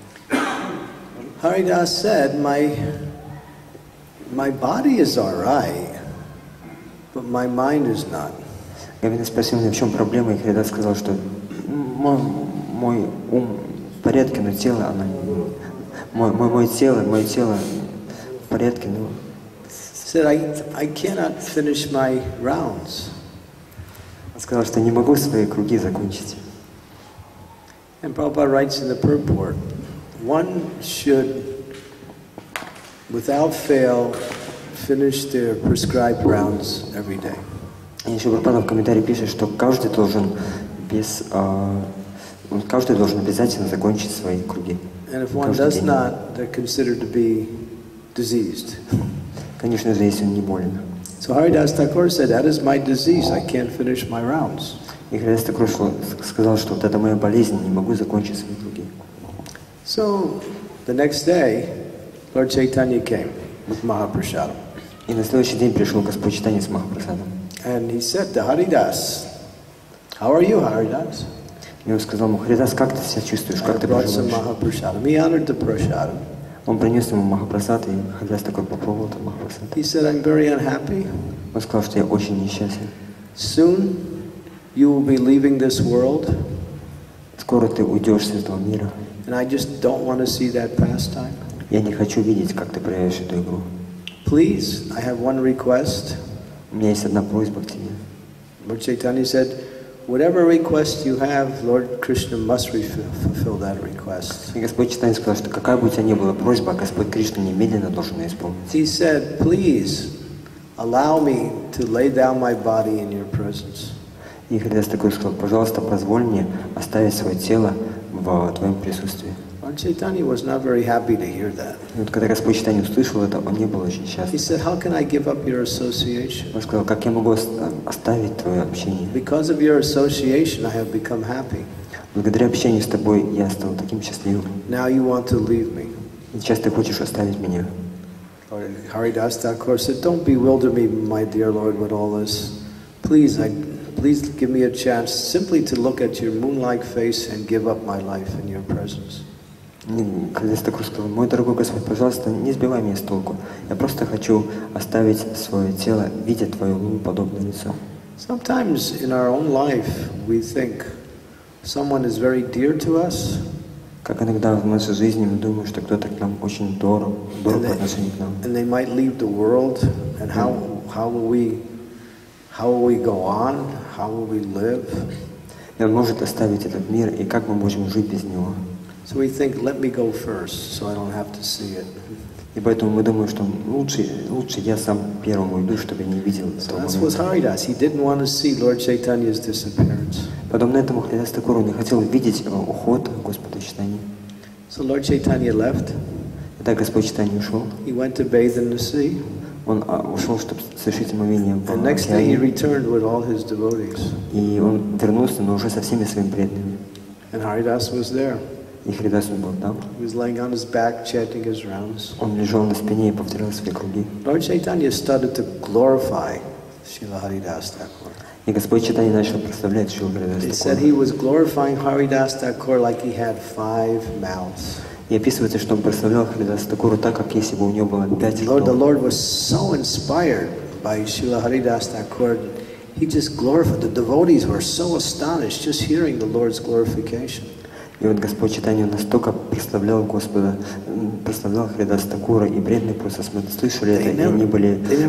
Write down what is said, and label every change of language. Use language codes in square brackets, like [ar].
[en] Haridas said, "My body is all right, but my mind is not." [ru] Говинда спросил меня, в чем проблема, и Haridas сказал, что мой ум в порядке, но тело, оно мое тело в порядке, но. [en] Said, "I cannot finish my rounds." [ru] Сказал, что не могу свои круги закончить. [en] And Prabhupada writes in the purport, one should without fail finish their prescribed rounds every day. [ru] И еще Прабхупада в комментарии пишет, что каждый должен обязательно закончить свои круги. [en] And if one does not, they're considered to be diseased. [ru] Конечно же, если он не болен. [en] So Haridas Thakur said, "That is my disease. I can't finish my rounds." [ru] И Haridas Thakur сказал, что вот это моя болезнь, не могу закончить свои круги. [en] So the next day, Lord Chaitanya came with Mahaprasadam. [ru] И на следующий день пришел Господь Чайтанья с Махапрасадом. [en] And he said to Haridas, "How are you, Haridas?" [ru] И он сказал ему, Haridas, как ты себя чувствуешь, как ты поживаешь? [en] I brought some Mahaprasadam. He honored the prasadam. [ru] Он принес ему Махапрасад, и Haridas Thakur попробовал этот Махапрасад. [en] He said, "I'm very unhappy." [ru] Он сказал, что я очень несчастен. [en] Soon you will be leaving this world. [ru] Скоро ты уйдешь с этого мира. [en] And I just don't want to see that pastime. [ru] Я не хочу видеть, как ты проявишь эту игру. [en] Please, I have one request. [ru] У меня есть одна просьба к тебе. [en] Lord Chaitanya said, "Whatever request you have, Lord Krishna must fulfill that request." [ru] И Господь Чайтанья сказал, что какая бы у тебя ни была просьба, Господь Кришна немедленно должен ее исполнить. [en] He said, "Please allow me to lay down my body in your presence." [ru] И Haridas Thakur сказал, пожалуйста, позволь мне оставить свое тело в твоем присутствии. [en] Lord Chaitanya was not very happy to hear that. [ru] Вот когда Господь Чайтанья услышал это, он не был очень счастлив. [en] He said, "How can I give up your association?" [ru] Он сказал, как я могу оставить твое общение? [en] Because of your association, I have become happy. [ru] Благодаря общению с тобой я стал таким счастливым. [en] Now you want to leave me? [ru] Сейчас ты хочешь оставить меня? [en] Haridas Thakur said, "Don't bewilder me, my dear Lord, with all this. Please, please give me a chance simply to look at your moon-like face and give up my life in your presence." [ru] Haridas Thakur сказал, мой дорогой Господь, пожалуйста, не сбивай меня с толку. Я просто хочу оставить свое тело, видя твое луноподобное лицо. [en] Sometimes in our own life we think someone is very dear to us, [ru] Как иногда в нашей жизни мы думаем, что кто-то к нам очень дорог, дорог по отношению к нам. [en] And they might leave the world, and how will we go on? How will we live? [ru] И он может оставить этот мир, и как мы можем жить без него? [en] So we think, let me go first, so I don't have to see it. [ru] И поэтому мы думаем, что лучше я сам первым уйду, чтобы я не видел этого момента. Потом на этом Харидас Такур не хотел видеть его уход Господа Чайтаньи. [en] So Lord Chaitanya left. [ru] Итак, Господь Чайтанья ушел. [en] He went to bathe in the sea. [ru] Он ушел, чтобы совершить омовение в океане. [en] The next day he returned with all his devotees. [ru] И он вернулся, но уже со всеми своими преданными. [en] And Haridas was there. [ru] И Харидас был там. [en] He was lying on his back, chanting his rounds. [ru] Он лежал на спине и повторял свои круги. [en] Lord Chaitanya started to glorify Srila Haridas Thakur. [ru] И Господь Чайтанья начал прославлять Шрилу Харидас Такура. [en] He said he was glorifying Haridas Thakur like he had five mouths. [ru] И описывается, что он прославлял Харидас Такуру так, как если бы у него было пять рук. [en] The Lord was so inspired by Srila Haridas Thakur. He just glorified. The devotees were so astonished just hearing the Lord's glorification. [ru] И вот Господь Чайтанья настолько прославлял Господа, прославлял Харидас Такура, и преданные просто слышали это, и они были